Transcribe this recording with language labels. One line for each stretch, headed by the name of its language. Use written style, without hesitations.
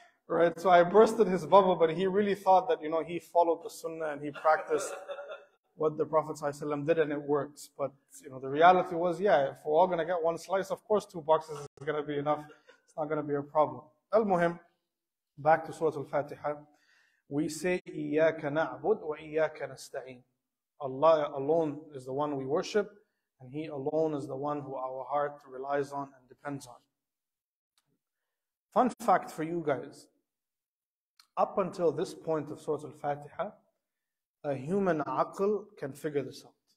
English: Right, so I bursted his bubble, but he really thought that, you know, he followed the sunnah and he practiced what the Prophet ﷺ did and it works. But, you know, the reality was, yeah, if we're all going to get one slice, of course 2 boxes is going to be enough. It's not going to be a problem. Al-Muhim, back to Surah Al-Fatiha. We say,
Arabic: إِيَّاكَ نَعْبُدْ وَإِيَّاكَ نَسْتَعِينَ.
English: Allah alone is the one we worship, and He alone is the one who our heart relies on and depends on. Fun fact for you guys, up until this point of Surah Al-Fatiha, a human aql can figure this out.